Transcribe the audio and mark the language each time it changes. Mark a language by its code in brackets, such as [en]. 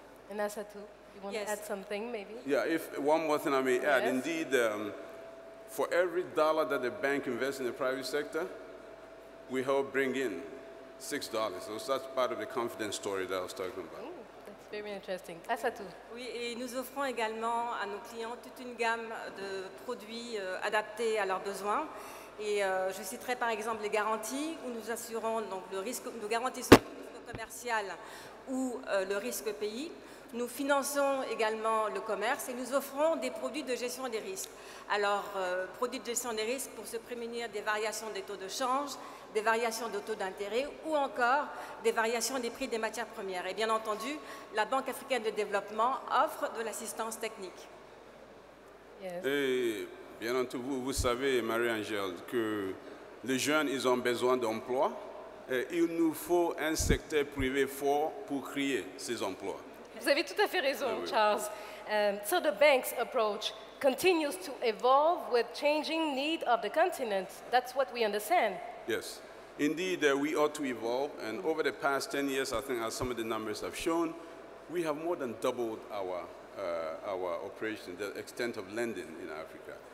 [en] And Asa too, you want to add something maybe? Yeah, if one more thing I may add. Yes. Indeed, for every dollar that the bank invests in the private sector, we help bring in $6. So that's part of the confidence story that I was talking about. Ooh, that's very interesting. Asatu. [fr] Oui, et nous offrons également à nos clients toute une gamme de produits adaptés à leurs besoins. Et je citerai par exemple les garanties où nous assurons donc le risque, nous garantissons le risque commercial ou le risque pays. Nous finançons également le commerce et nous offrons des produits de gestion des risques. Alors, produits de gestion des risques pour se prémunir des variations des taux de change, des variations de taux d'intérêt ou encore des variations des prix des matières premières. Et bien entendu, la Banque africaine de développement offre de l'assistance technique. [en] Yes. [fr] Et bien entendu, vous savez, Marie-Angèle, que les jeunes ont besoin d'emplois. Il nous faut un secteur privé fort pour créer ces emplois. Vous avez tout à fait raison, Charles. [en] So the bank's approach continues to evolve with changing need of the continent. That's what we understand. Yes. Indeed, we ought to evolve. And over the past 10 years, I think as some of the numbers have shown, we have more than doubled our operation, the extent of lending in Africa.